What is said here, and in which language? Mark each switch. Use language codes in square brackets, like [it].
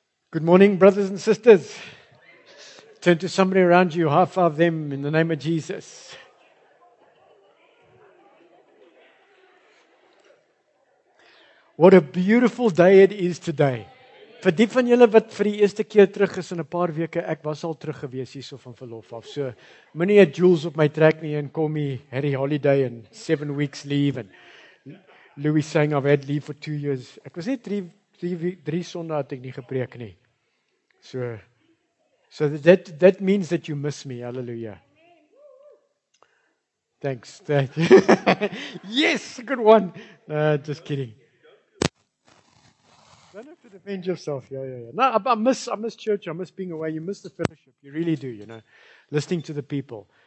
[en] Good morning, brothers and sisters. Turn to somebody around you, high five them in the name of Jesus. What a beautiful day it is today. [af] Vir die van julle wat vir die eerste keer terug is in 'n paar weke, ek was al terug gewees hierso van verlof af. So, moenie jewels op my trek nie en kom hier, [en] Harry Holiday and 7 weeks leave. And Louis saying I've had leave for 2 years. [af] Ek was net 3 sondae het ek nie gepreek nie. [en] So that means that you miss me. Hallelujah. Thanks. Yes, good one. Just kidding. Don't have to defend yourself. Yeah. No, I miss church. I miss being away. You miss the fellowship. You really do, you know. Listening to the people.